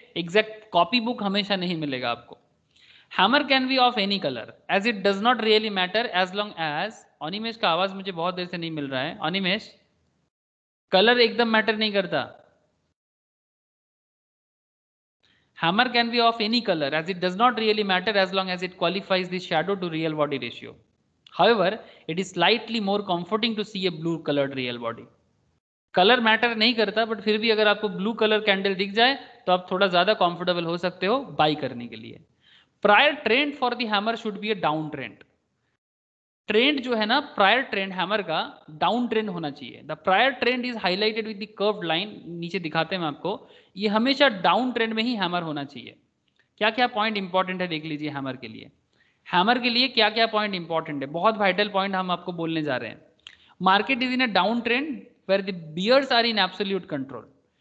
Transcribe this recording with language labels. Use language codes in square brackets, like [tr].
[hi] Exact copy book हमेशा नहीं मिलेगा आपको. [en] Hammer can be of any colour as it does not really matter as long as. [hi] Animesh का आवाज मुझे बहुत देर से नहीं मिल रहा है. अनिमेश कलर एकदम मैटर नहीं करता. [en] Hammer can be of any colour as it does not really matter as long as it qualifies the shadow to real body ratio. However, it is slightly more comforting to see a blue colored real body. [hi] Color matter नहीं करता, but फिर भी अगर आपको blue color candle दिख जाए तो आप थोड़ा ज्यादा comfortable हो सकते हो buy करने के लिए. [en] Prior trend for the hammer should be a down trend. [hi] Trend जो है ना prior trend hammer का down trend होना चाहिए. [en] The prior trend is highlighted with the curved line. [hi] नीचे दिखाते हैं मैं आपको. ये हमेशा down trend में ही hammer होना चाहिए. क्या क्या point important है देख लीजिए hammer के लिए. हैमर के लिए क्या क्या पॉइंट इंपॉर्टेंट है, बहुत वाइटल पॉइंट हम आपको बोलने जा रहे हैं. [en] Market is in a down trend where the bears are in absolute control.